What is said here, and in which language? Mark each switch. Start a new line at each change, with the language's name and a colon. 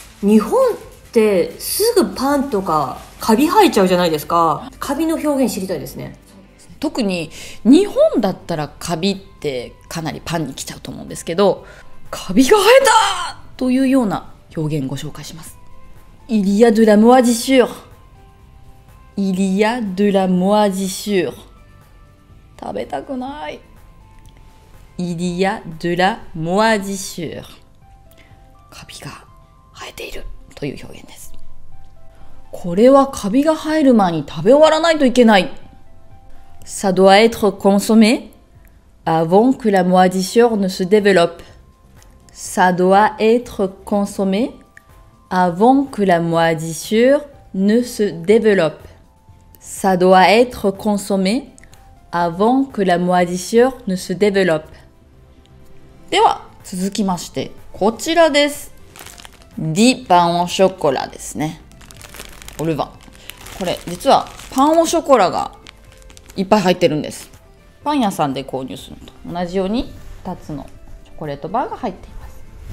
Japanese: 日本ってすぐパンとかカビ生えちゃうじゃないですか。カビの表現知りたいですね。特に日本だったらカビってかなりパンに来ちゃうと思うんですけど、カビが生えたというような表現ご紹介します。
French: Il y a de la moisissureIl y a de la moisissure.
Japanese: 食べたくない。
French: Il y a de la moisissure.
Japanese: カビが生えているという表現です。これはカビが生える前に食べ終わらないといけない。
French: Ça doit être consommé avant que la moisissure ne se développe. Ça doit être consommé avant que la moisissure ne se développe. Ça doit être consommé avant que la moisissure ne se développe.
Japanese: では続きましてこちらです。ディパンオショコラですね。オルヴァン。これ実はパンオショコラがいっぱい入ってるんです。パン屋さんで購入するのと同じように2つのチョコレートバーが入っています。